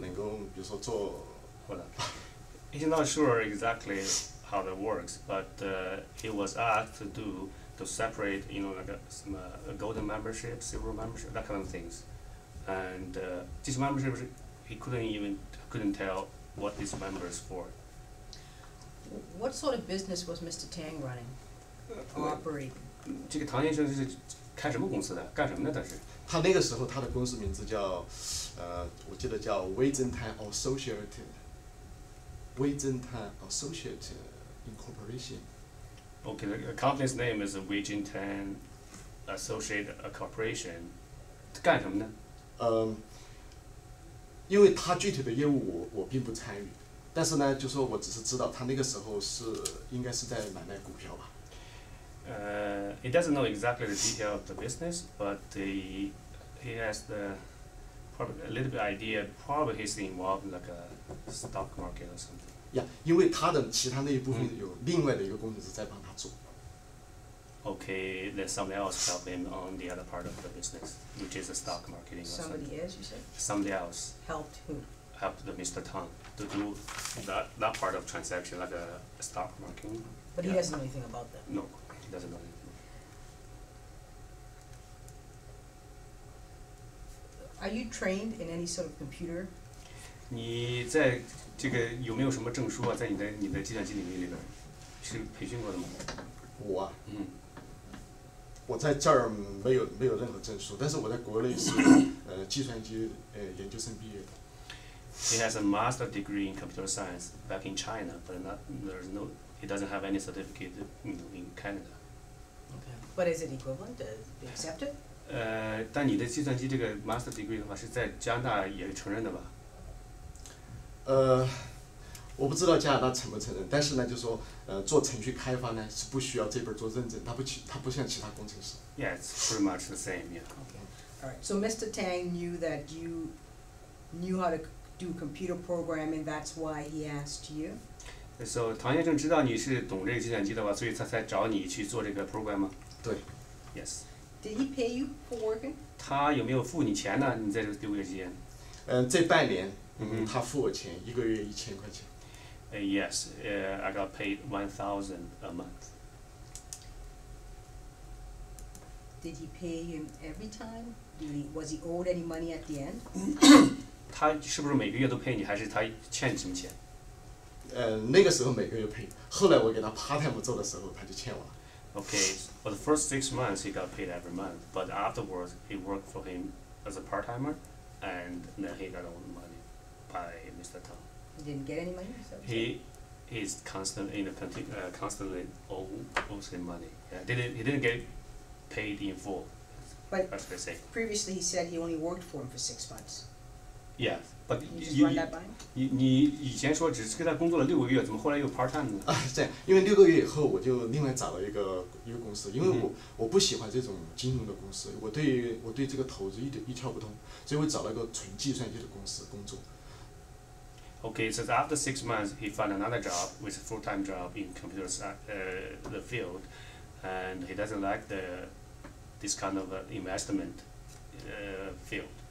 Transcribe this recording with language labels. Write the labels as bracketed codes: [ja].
[zh] 那个时候都还不是特别清楚，因为他只是他给我讲，他把它分成了什么，什么白金会员啦、金牌会员啦，就说白金会员就能够，比如说做。 [en] Hold on. He's not sure exactly how that works, but he was asked to do. To separate, you know, like a golden membership, silver membership, that kind of things, and this membership, he couldn't tell what this member is for. What sort of business was Mr. Tang running or operating? [zh] 这个唐先生就是开什么公司的？干什么的？但是他那个时候他的公司名字叫，我记得叫 Weizhen Tang Associated， Weizhen Tang Associated Incorporation。 [en] Okay, the company's name is Weizhen Tang Associated Corporation。 [zh] 干什么呢？因为他具体的业务我并不参与，但是呢，就说我只是知道他那个时候是应该是在买卖股票吧。 [en] He doesn't know exactly the detail of the business, but he has the probably a little bit idea. Probably he's involved in like a stock market or something. Yeah, [zh] 因为他的其他那一部分有另外的一个工程师在帮他做。 [en] Okay, then somebody else help him on the other part of the business, which is a stock marketing. Somebody else, you said. Somebody else helped who? Helped the Mr. Tang to do that part of transaction, like a stock marketing. But he doesn't know anything about that. No. Doesn't know. Are you trained in any sort of computer? [zh] 你在这个有没有什么证书啊？在你的计算机领域里边，是培训过的吗？我啊，嗯，我在这儿没有任何证书，但是我在国内是计算机研究生毕业的。 [en] He has a master degree in computer science back in China, but there's no. He doesn't have any certificate, you know, in Canada. Okay. But is it equivalent? Be accepted? [zh] 但你的计算机这个 master degree 的话，是在加拿大也承认的吧？我不知道加拿大承不承认，但是呢，就说做程序开发呢是不需要这本做认证，它不像其他工程师。 [en] Yeah, it's pretty much the same. Yeah. Okay. All right. So Mr. Tang knew that you knew how to do computer programming. That's why he asked you. So, [zh] 唐先生知道你是懂这个计算机的话，所以他才找你去做这个 program 吗？对。 [en] Yes. Did he pay you for working? [zh] 他有没有付你钱呢？你在这六个月期间。这半年，嗯，他付我钱，一个月1000块钱。 [en] Yes. I got paid 1,000 a month. Did he pay him every time? Was he owed any money at the end? [zh] 他是不是每个月都赔你，还是他欠你什么钱？那个时候每个月赔，后来我给他 part time 做的时候，他就欠我了。 [en] Okay, for the first 6 months he got paid every month, but afterwards he worked for him as a part timer, and then he got all the money by Mr. Tang. He didn't get any money. So he's constantly owes him money. Yeah, he didn't get paid in full. But as they say. Previously he said he only worked for him for 6 months. Yeah. But you [zh] 以前说只是跟他工作了六个月，怎么后来又 part time 呢？啊，这样，因为六个月以后我就另外找了一个公司，因为我不喜欢这种金融的公司，我对这个投资一窍不通，所以我找了一个纯计算机的公司工作。 [en] Okay, so after 6 months, he found another job, with a full-time job in computer the field, and he doesn't like this kind of investment field.